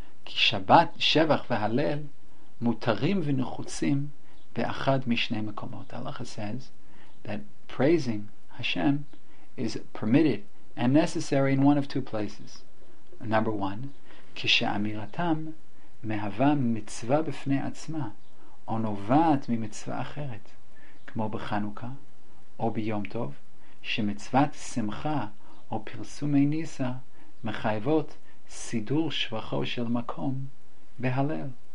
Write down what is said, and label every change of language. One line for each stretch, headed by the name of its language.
Hebrew: כי שבת, שבח והלל מותרים ונחוצים באחד משני מקומות.
English: הלכה says that praising Hashem is permitted and necessary in one of two places. Number one,
Hebrew: כשאמירתם מהווה מצווה בפני עצמה או נובעת ממצווה אחרת, כמו בחנוכה או ביום טוב, שמצוות שמחה או פרסומי ניסה מחייבות סידור שבחו של מקום בהלל.